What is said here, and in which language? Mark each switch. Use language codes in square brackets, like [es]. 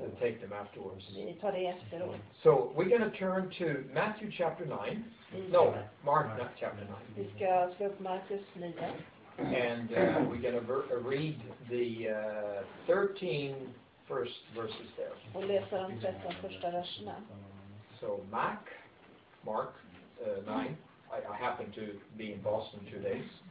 [en] We'll take them afterwards. [sv] Vi tar det efteråt. [en] So we're going to turn to Matthew chapter 9. No, Mark chapter 9. [sv] Vi ska slå upp Markus 9. [en] And we're going to read the 13 first verses there. [sv] Och läsa de 13 första verserna. [en] So Mark 9. I happened to be in Boston 2 days.